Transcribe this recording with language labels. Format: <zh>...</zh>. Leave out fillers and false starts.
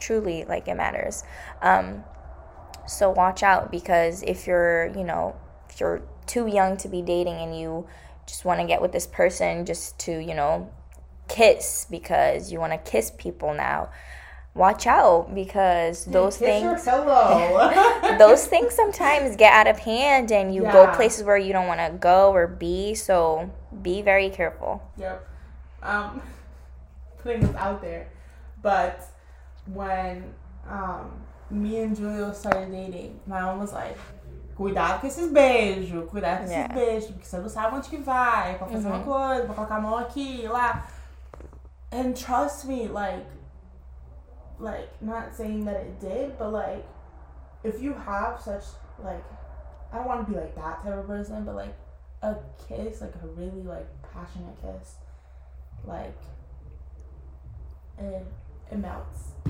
<en>truly, like, it matters. So watch out, because if you're, you know, if you're too young to be dating and you just want to get with this person just to, you know, kiss because you want to kiss people now, watch out, because those things, those things sometimes get out of hand and you go places where you don't want to go or be, so be very careful. Yep. Putting this out there, but when me and Julio started dating, my mom was like,</en> <pt>cuidado que esses beijos, cuidado que esses beijos, porque você não sabe onde que vai, pra fazer uma coisa, pra colocar a mão aqui, lá.</pt> <en>And trust me, like, not saying that it did, but, like, if you have such, like, I don't want to be, like, that type of person, but, like, a kiss, like, a really, like, passionate kiss, like, it melts.</en>